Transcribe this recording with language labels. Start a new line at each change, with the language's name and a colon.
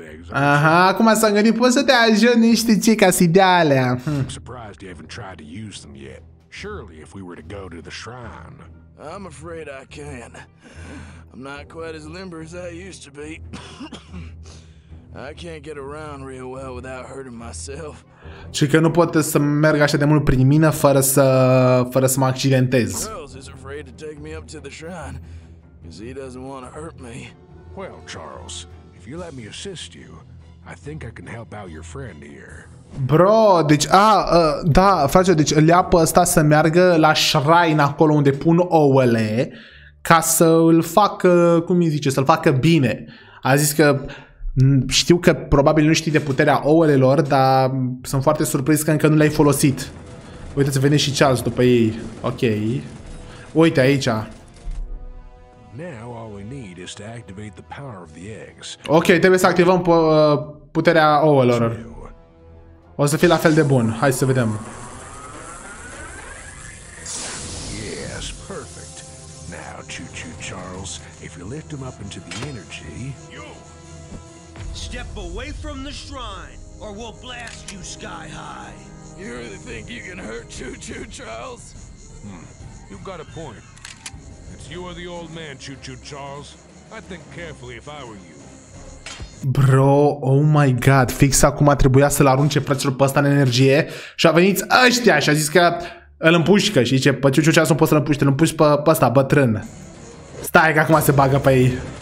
Romanian: Aha, acum s-a gândit, poți să te ajut niște cicasi de alea.
English: Surprised you haven't tried to use them yet. Surely if we were to go to the shrine. I'm afraid I can. I'm not quite as limber as I used to be. I can't get around real well without hurting myself.
Romanian: Și că nu pot să merg așa de mult prin mine fără să mă accidentez.
English: Charles is afraid to take me up to the shrine because he doesn't want to hurt me. Well, Charles, if you let me assist you, I think I can help out your friend here.
Romanian: Bro, deci, da, frate, deci îl ia pe ăsta să meargă la shrine acolo unde pun ouăle ca să îl facă, cum îi zice, să-l facă bine. A zis că știu că probabil nu știi de puterea ouălelor, dar sunt foarte surprins că încă nu le-ai folosit. Uite, să vede și Charles după ei. Ok. Uite, aici.
English: Now all we need is to activate the power of the eggs.
Romanian: Ok, trebuie să activăm puterea ouălor. O să fie la fel de bun. Hai să vedem.
English: Yes, perfect. Now, Choo-choo Charles, if you lift him up into the energy... You! Step away from the shrine, or we'll blast you sky high. You really think you can hurt Choo-choo Charles? You've got a point. It's you or the old man, Choo-choo Charles. I'd think carefully if I were you.
Romanian: Bro,
English: oh my god,
Romanian: fix acum trebuia să-l arunce fraților pe ăsta în energie și a venit ăștia și a zis că îl împușcă și zice, pe ce ceas nu poți să-l împuști, îl împuși pe ăsta, bătrân. Stai că acum se bagă pe ei.